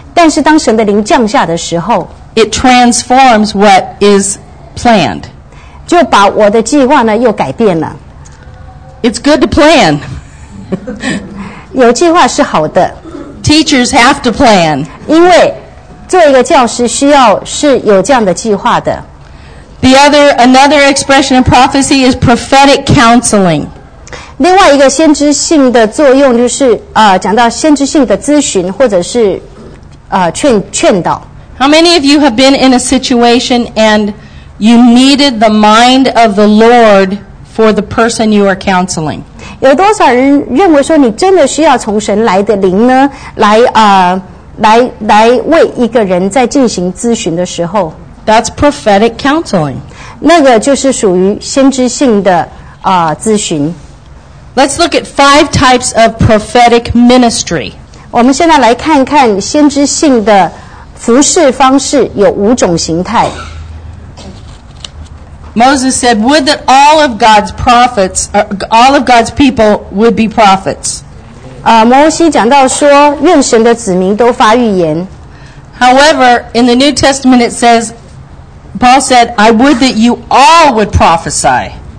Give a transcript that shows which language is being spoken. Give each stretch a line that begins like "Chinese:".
Chinese: 但是当神的灵降下的时候
English: it transforms what is planned.
Chinese: 就把我的计划呢又改变了。
English: It's good to plan.
Chinese: 有计划是好的。
English: Teachers have to plan.
Chinese: 因为做一个教师需要是有这样的计划的。
English: The other, another expression of prophecy is prophetic counseling.
Chinese: 另外一个先知性的作用就是讲到先知性的咨询或者是劝导。
English: How many of you have been in a situation and you needed the mind of the Lord for the person you are counseling?
Chinese: 有多少人认为说你真的需要从神来的灵呢？来为一个人在进行咨询的时候。
English: That's prophetic counseling.
Chinese: 那个就是属于先知性的咨询。
English: Let's look at five types of prophetic ministry.
Chinese: 我们现在来看看先知性的服事方式有五种形态。
English: Moses said, "Would that all of God's prophets, all of God's people, would be prophets."
Chinese: 摩西讲到说，愿神的子民都发预言。
English: However, in the New Testament, it says, Paul said, "I would that you all would prophesy."